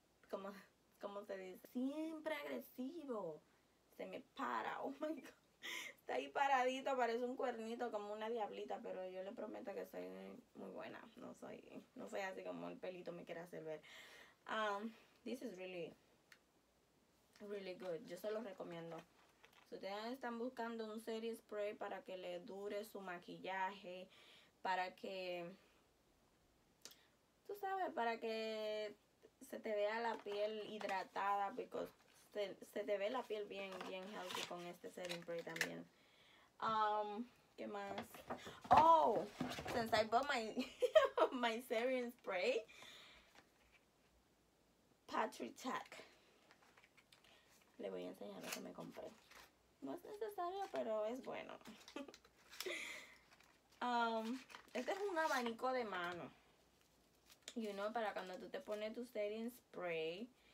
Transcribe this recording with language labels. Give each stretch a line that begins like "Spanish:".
Spanish: ¿Cómo se dice? Siempre agresivo. Se me para.
English: Oh my God.
Spanish: Está ahí paradito, parece un cuernito, como una diablita, pero yo le prometo que soy muy buena. No soy así como el pelito me quiere hacer ver.
English: This is really, really good.
Spanish: Yo se los recomiendo. Si ustedes están buscando un serie spray para que le dure su maquillaje, para que, tú sabes, para que se te vea la piel hidratada, because se te ve la piel bien, bien healthy con este serum spray también. ¿Qué más?
English: Oh, since I bought my serum spray, Patrick Tack.
Spanish: Le voy a enseñar lo que me compré. No es necesario, pero es bueno. Este es un abanico de mano.
English: You know,
Spanish: para cuando tú te pones tu serum spray.